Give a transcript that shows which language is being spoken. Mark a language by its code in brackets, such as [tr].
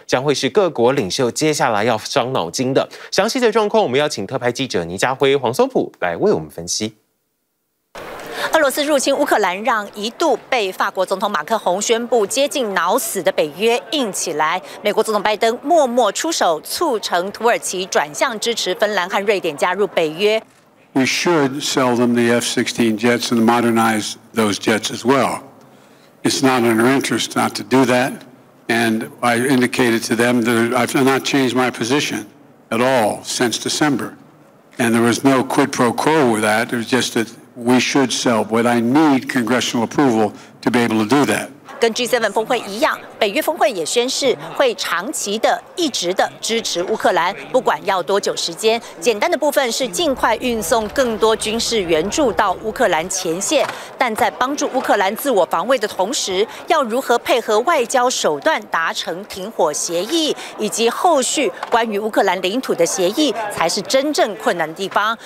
[zh] 将会是各国领袖接下来要伤脑筋的。详细的状况我们要请特派记者倪家辉、黄松浦来为我们分析。俄罗斯入侵乌克兰，让一度被法国总统马克宏宣布接近脑死的北约硬起来。美国总统拜登默默出手，促成土耳其转向支持芬兰和瑞典加入北约。 [en] We should sell them the F-16 jets and modernize those jets as well. It's not in our interest not to do that. And I indicated to them that I've not changed my position at all since December. And there was no quid pro quo with that. It was just that we should sell, but I need congressional approval to be able to do that. [zh] 跟 G7 峰会一样，北约峰会也宣誓会长期的、一直的支持乌克兰，不管要多久时间。简单的部分是尽快运送更多军事援助到乌克兰前线，但在帮助乌克兰自我防卫的同时，要如何配合外交手段达成停火协议，以及后续关于乌克兰领土的协议，才是真正困难的地方。